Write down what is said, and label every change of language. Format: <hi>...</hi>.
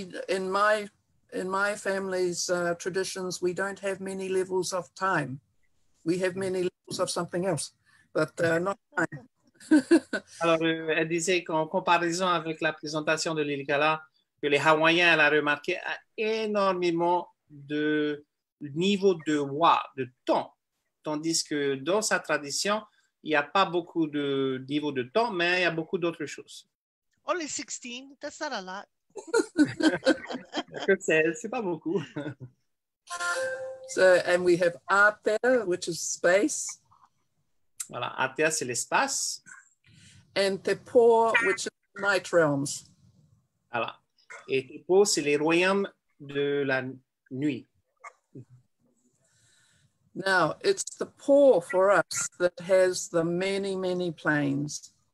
<en>In my family's traditions, we don't have many levels of time. We have many levels of something else, but not time.</en> <fr>Alors, elle disait qu'en comparaison avec la présentation de Lilikalā, que les Hawaïens, elle a remarqué énormément de niveau de wa, de temps, tandis que dans sa tradition, il n'y a pas beaucoup de niveau de temps, mais il y a beaucoup d'autres choses.</fr> <en>Only 16, that's not a lot.</en> <fr>c'est pas beaucoup.</fr> <en>So, and we have atea, which is space.</en> <fr>Voilà, atea, c'est l'espace.</fr> <en>And te po, which is night realms.</en> <fr>Voilà, et te po, c'est les royaumes de la nuit.</fr> <en>Now, it's the poor for us that has the many, many planes.</en>